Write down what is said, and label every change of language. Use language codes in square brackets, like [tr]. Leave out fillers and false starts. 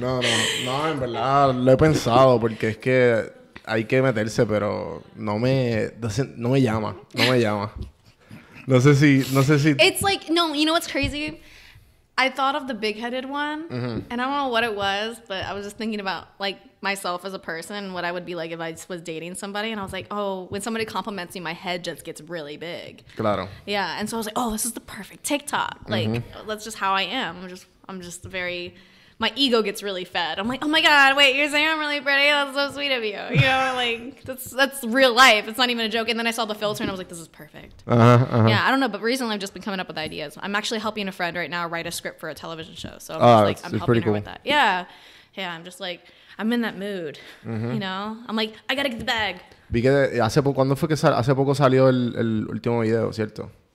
[es] No, en verdad, lo he pensado porque es que hay que meterse, pero no me llama. No sé si... [en] It's like, no, you know what's crazy? I thought of the big-headed one, mm-hmm. and I don't know what it was, but I was just thinking about, like, myself as a person and what I would be like if I was dating somebody, and I was like, oh, when somebody compliments me, my head just gets really big. [es] Claro. [en] Yeah, and so I was like, oh, this is the perfect TikTok. Like, mm-hmm. that's just how I am. I'm just very... My ego gets really fed. I'm like, oh my God, wait, you're saying I'm really pretty? That's so sweet of you. You know, like, that's real life. It's not even a joke. And then I saw the filter and I was like, this is perfect. Yeah, I don't know. But recently I've just been coming up with ideas. I'm actually helping a friend right now write a script for a television show. So I'm just like, I'm helping pretty her cool. with that. Yeah. Yeah, I'm just like, I'm in that mood. Mm-hmm. You know? I'm like, I gotta get the bag. [es] Vi que hace poco, ¿cuándo fue que hace poco salió el último video, cierto?